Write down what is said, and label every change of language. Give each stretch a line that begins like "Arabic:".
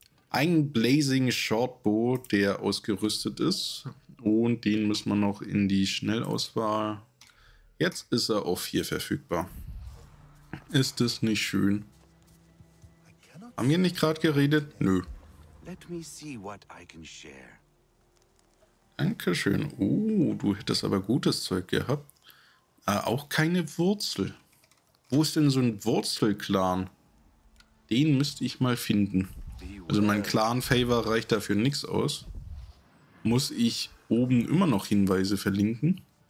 German: Ein Blazing Shortbow, der ausgerüstet ist. Und den müssen wir noch in die Schnellauswahl. Jetzt ist er auf 4 verfügbar. Ist das nicht schön? Haben wir nicht gerade geredet? Nö.
English: Let me see what I can share.
German: Dankeschön. Du hättest aber gutes Zeug gehabt. Auch keine Wurzel. Wo ist denn so ein Wurzelclan? Den müsste ich mal finden. Also mein Clan-Favor reicht dafür nichts aus. Muss ich oben immer noch Hinweise verlinken?